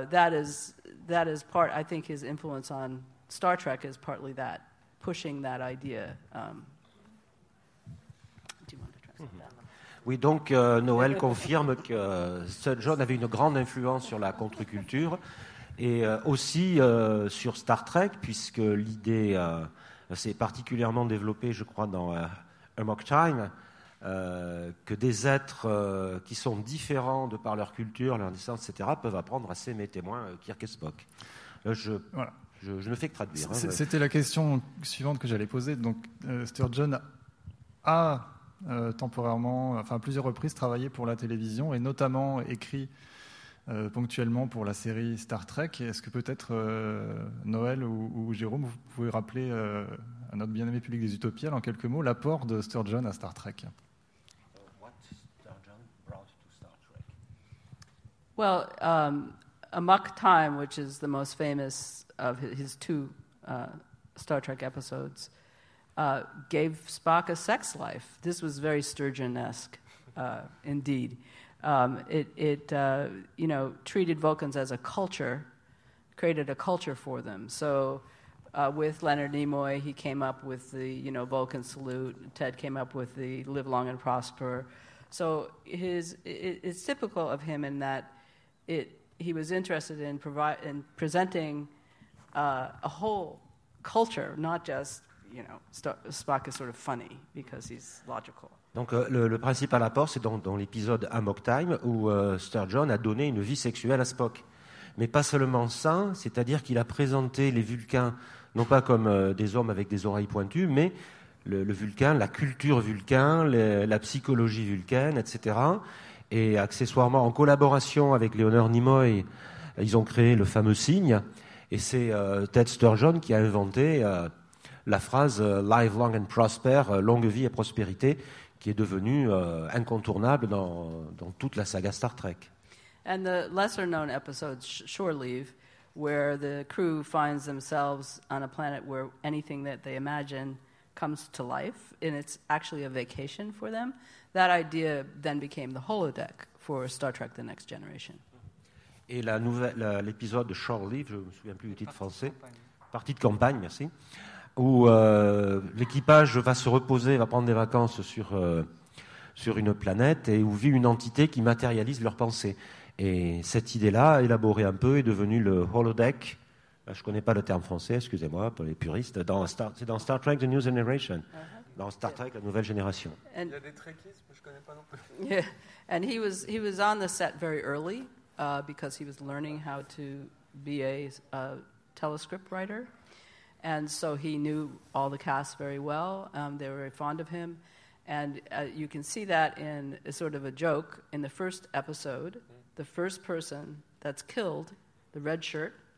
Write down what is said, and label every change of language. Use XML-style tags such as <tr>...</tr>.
<en>So that is part, I think his influence on Star Trek is partly that. Pushing that idea. Do you want to try something?</en> <fr>Oui, donc Noël confirme que Sir John avait une grande influence sur la contre-culture et aussi sur Star Trek, puisque l'idée s'est particulièrement développée, je crois, dans Amok Time, que des êtres qui sont différents de par leur culture, leur naissance, etc., peuvent apprendre à s'aimer, témoin Kirk et Spock. Je ne fais que traduire. C'était la question suivante que j'allais poser. Donc, Sturgeon a temporairement, enfin à plusieurs reprises, travaillé pour la télévision et notamment écrit ponctuellement pour la série Star Trek. Est-ce que peut-être Noël ou Jérôme, vous pouvez rappeler à notre bien-aimé public des Utopiales, en quelques mots, l'apport de Sturgeon à Star Trek ?</fr> <en>Well, Amok Time, which is the most famous of his two Star Trek episodes, gave Spock a sex life. This was very Sturgeon-esque, indeed. It treated Vulcans as a culture, created a culture for them. So with Leonard Nimoy, he came up with the, you know, Vulcan salute. Ted came up with the live long and prosper. So it's typical of him in that he was interested in presenting a whole culture, not just, you know, Spock is sort of funny because he's logical.</en> <fr>Donc le principal apport, c'est dans l'épisode Amok Time où Sturgeon a donné une vie sexuelle à Spock. Mais pas seulement ça, c'est-à-dire qu'il a présenté les Vulcains non pas comme des hommes avec des oreilles pointues, mais le Vulcain, la culture Vulcain, la psychologie Vulcaine, etc. Et accessoirement, en collaboration avec Leonard Nimoy, ils ont créé le fameux signe. Et c'est Ted Sturgeon qui a inventé la phrase «</fr> <en>Live long and prosper</en> <fr>», « Longue vie et prospérité », qui est devenue incontournable dans toute la saga Star Trek. And the lesser known episode, Shore Leave, where the crew finds themselves on a planet where anything that they imagine comes to life, and it's actually a vacation for them, that idea then became the holodeck for Star Trek The Next Generation. Et l'épisode de Shore Leave, je ne me souviens plus du titre français, partie de campagne, merci, où l'équipage va se reposer, va prendre des vacances sur une planète et où vit une entité qui matérialise leurs pensées. Et cette idée-là, élaborée un peu, est devenue le holodeck, je ne connais pas le terme français, excusez-moi pour les puristes, c'est dans Star Trek The New Generation, dans Star Trek La Nouvelle Génération. Il y a des trekkies, je ne connais pas non plus.</fr> <en>Yeah. And he was on the set very early. Because he was learning how to be a telescript writer. And so he knew all the cast very well. They were very fond of him. And you can see that in a sort of a joke. In the first episode, the first person that's killed, the red shirt,</en>